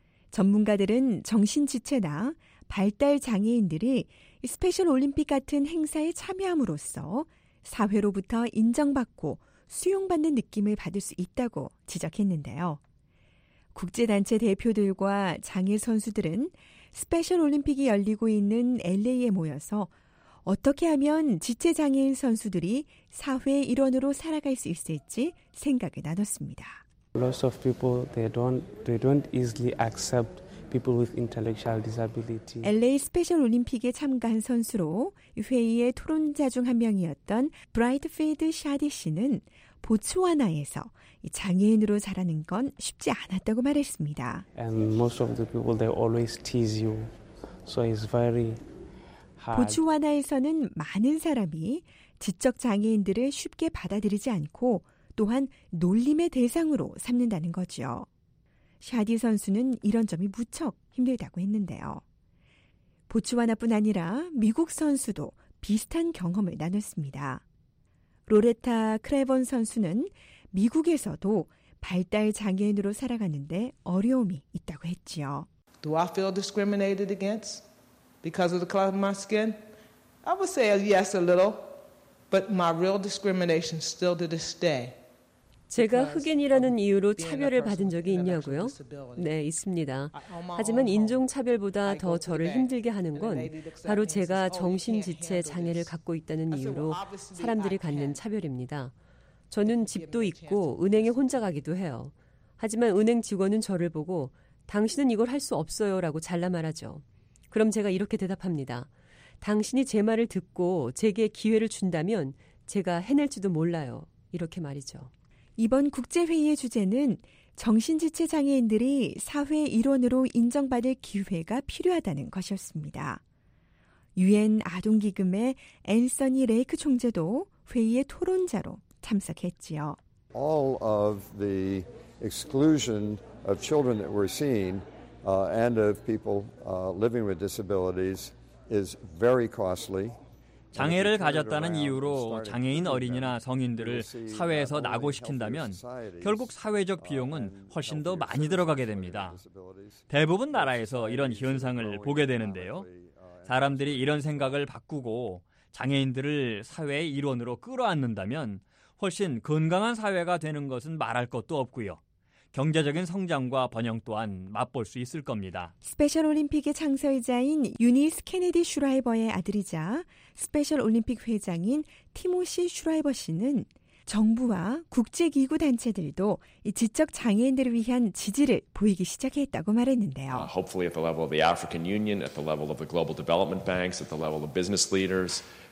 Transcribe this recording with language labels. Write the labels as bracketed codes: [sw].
[ko] 전문가들은 정신 지체나 발달 장애인들이 스페셜 올림픽 같은 행사에 참여함으로써 사회로부터 인정받고 수용받는 느낌을 받을 수 있다고 지적했는데요. 국제단체 대표들과 장애 선수들은 스페셜 올림픽이 열리고 있는 LA에 모여서 어떻게 하면 지체 장애인 선수들이 사회의 일원으로 살아갈 수 있을지 생각을 나눴습니다. [en] Lots of people they don't easily accept people with intellectual disability. [ko] LA 스페셜 올림픽에 참가한 선수로 회의의 토론자 중 한 명이었던 브라이트필드 샤디 씨는 보츠와나에서 장애인으로 자라는 건 쉽지 않았다고 말했습니다. [en] And most of the people they always tease you. So it's very hard. [ko] 보츠와나에서는 많은 사람이 지적 장애인들을 쉽게 받아들이지 않고 또한 놀림의 대상으로 삼는다는 거죠. 샤디 선수는 이런 점이 무척 힘들다고 했는데요. 보츠와나뿐 아니라 미국 선수도 비슷한 경험을 나눴습니다. 로레타 크레본 선수는 미국에서도 발달 장애인으로 살아가는데 어려움이 있다고 했지요. [en] Do I feel discriminated against because of the color of my skin? I would say yes a little, but my real discrimination still to this day. [ko] 제가 흑인이라는 이유로 차별을 받은 적이 있냐고요? 네, 있습니다. 하지만 인종차별보다 더 저를 힘들게 하는 건 바로 제가 정신지체 장애를 갖고 있다는 이유로 사람들이 갖는 차별입니다. 저는 집도 있고 은행에 혼자 가기도 해요. 하지만 은행 직원은 저를 보고 당신은 이걸 할 수 없어요 라고 잘라 말하죠. 그럼 제가 이렇게 대답합니다. 당신이 제 말을 듣고 제게 기회를 준다면 제가 해낼지도 몰라요. 이렇게 말이죠. 이번 국제회의의 주제는 정신지체 장애인들이 사회 일원으로 인정받을 기회가 필요하다는 것이었습니다. 유엔 아동기금의 앤서니 레이크 총재도 회의의 토론자로 참석했지요. [en] All of the exclusion of children that we're seeing and of people living with disabilities is very costly. [ko] 장애를 가졌다는 이유로 장애인 어린이나 성인들을 사회에서 낙오시킨다면 결국 사회적 비용은 훨씬 더 많이 들어가게 됩니다. 대부분 나라에서 이런 현상을 보게 되는데요. 사람들이 이런 생각을 바꾸고 장애인들을 사회의 일원으로 끌어안는다면 훨씬 건강한 사회가 되는 것은 말할 것도 없고요. 경제적인 성장과 번영 또한 맛볼 수 있을 겁니다. 스페셜 올림픽의 창설자인 유니스 케네디 슈라이버의 아들이자 스페셜 올림픽 회장인 티모시 슈라이버 씨는 정부와 국제기구 단체들도 지적 장애인들을 위한 지지를 보이기 시작했다고 말했는데요. [en] Hopefully at the level of the African Union, at the level of the global development banks, at the level of business leaders.